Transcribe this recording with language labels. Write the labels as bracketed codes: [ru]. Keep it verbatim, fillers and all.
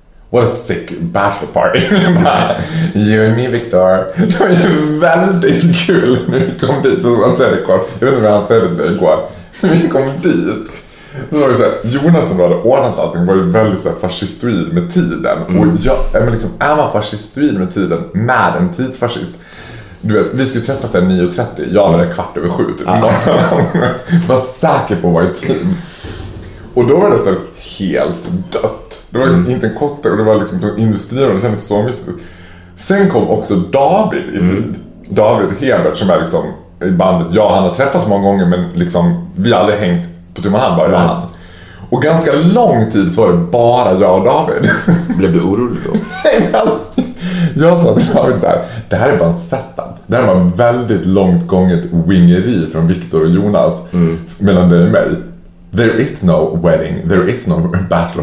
[en] What a sick bachelor party. You and me, Victor. [sv] Det var ju väldigt kul när vi kom dit. Han säger det kvar. Jag vet inte vad han säger det igår. När vi kom dit så var det så här, Jonas som hade ordnat allting var ju väldigt så här fascistoid med tiden. Mm. Och jag, men liksom, är man fascistoid med tiden med en tidsfascist? Du vet, vi skulle träffas där nio och trettio. Jag var där kvart över sju. Ah. Var säker på att vara i tid. Och då var det stället helt dött. Det var liksom mm. inte en kotte. Och det var liksom industrier och det kändes så mysigt. Sen kom också David i tid. Mm. David Hebert som är liksom i bandet. Jag och han har träffats många gånger. Men liksom, vi har aldrig hängt på tumman hand bara. Mm. Och ganska lång tid så var det bara jag och David. Blev du orolig då? Nej men alltså, jag sa till David så här, det här är bara en setup. Det här var en väldigt långt gånget wingeri från Victor och Jonas mm. mellan dig och mig. [en] There is no wedding, there is no bachelor